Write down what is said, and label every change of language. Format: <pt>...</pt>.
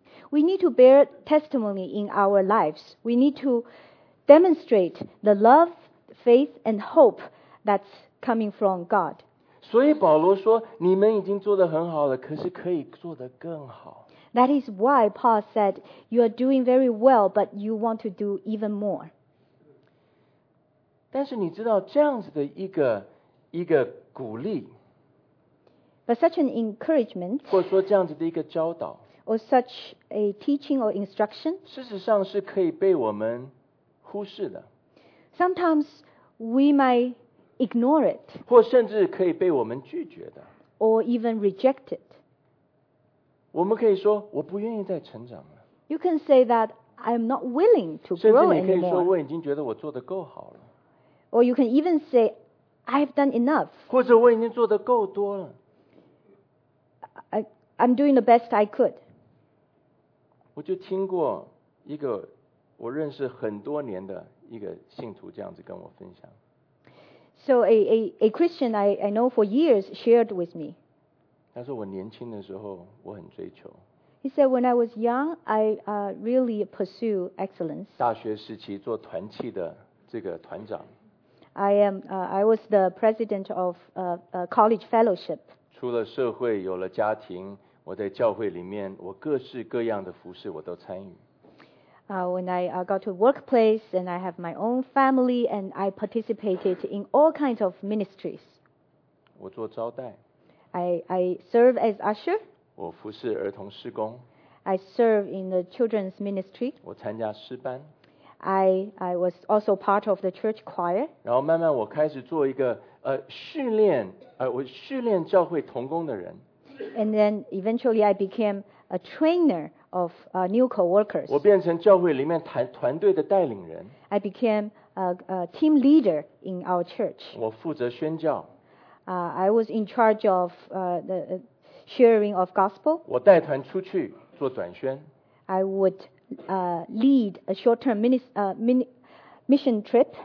<en>We need to bear testimony in our lives. We need to demonstrate the love, faith, and hope that's coming from God.</en> <zh>所以保罗说，你们已经做得很好了，可是可以做得更好。</zh> <en>That is why Paul said, you are doing very well, but you want to do even more.</en> <zh>但是你知道这样子的一个鼓励，</zh> <en>But such an encouragement,</en> <zh>或者说这样子的一个教导，</zh> <en>or such a teaching or instruction,</en> <zh>事实上是可以被我们忽视的。</zh> <en>Sometimes we might ignore it,</en> <zh>或甚至可以被我们拒绝的。</zh> <en>Or even reject it.</en> <zh>我们可以说，我不愿意再成长了。</zh> <en>You can say that I'm not willing to grow anymore.</en> <zh>甚至你可以说，我已经觉得我做得够好了。</zh> <en>Or you can even say, I've done enough.</en> <zh>或者我已经做得够多了。</zh> <en>I'm doing the best I could.</en> <zh>我就听过一个我认识很多年的一个信徒这样子跟我分享。</zh> <en>So a Christian I know for years shared with me.</en> <zh>他说我年轻的时候我很追求。</zh> <en>He said, when I was young, I really pursue excellence.</en> <zh>大学时期做团契的这个团长。</zh> <en>I was the president of a college fellowship.</en> <zh>出了社会，有了家庭，我在教会里面，我各式各样的服事我都参与。</zh> <en>When I got to workplace and I have my own family and I participated in all kinds of ministries.</en> <zh>我做招待。</zh> <en>I serve as usher.</en> <zh>我服侍儿童施工。</zh> <en>I serve in the children's ministry.</en> <zh>我参加诗班。</zh> <en>I was also part of the church choir.</en> <zh>然后慢慢我开始做一个我训练教会同工的人。</zh> <en>And then eventually I became a trainer. Of new co-workers.</en> <zh>我变成教会里面团队的带领人。</zh> <en>I became a team leader in our church.</en> <zh>我负责宣教。</zh> <en>I was in charge of the sharing of gospel.</en> <zh>我带团出去做短宣。</zh> <en>I would lead a short-term mission trip.</en>